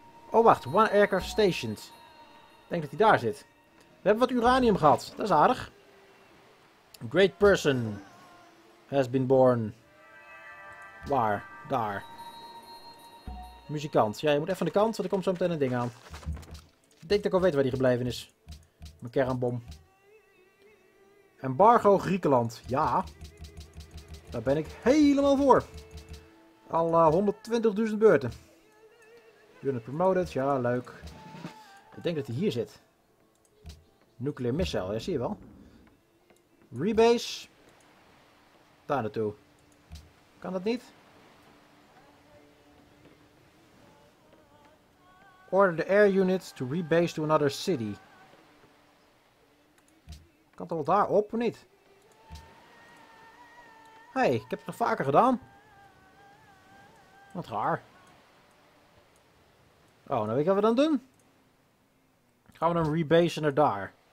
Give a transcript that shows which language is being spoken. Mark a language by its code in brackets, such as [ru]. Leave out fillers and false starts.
[en] Oh [nl] wacht, [en] one aircraft stationed. [nl] Ik denk dat hij daar zit. We hebben wat uranium gehad, dat is aardig. [en] Great person. Has been born. [nl] Waar? Daar. Muzikant. Ja, je moet even aan de kant, want er komt zo meteen een ding aan. Ik denk dat ik al weet waar die gebleven is. Mijn kernbom. Embargo Griekenland. Ja. Daar ben ik helemaal voor. Al 120.000 beurten. [en] Unit promoted. [nl] Ja, leuk. Ik denk dat hij hier zit. [en] Nuclear missile. [nl] Ja, zie je wel. Rebase. Daar naartoe. Kan dat niet? [en] Order the air unit to rebase to another city. [nl] Kan toch wel daar op of niet? Hey, ik heb het nog vaker gedaan. Wat raar. Oh, nou weet ik wat we dan doen. Gaan we dan rebasen naar daar.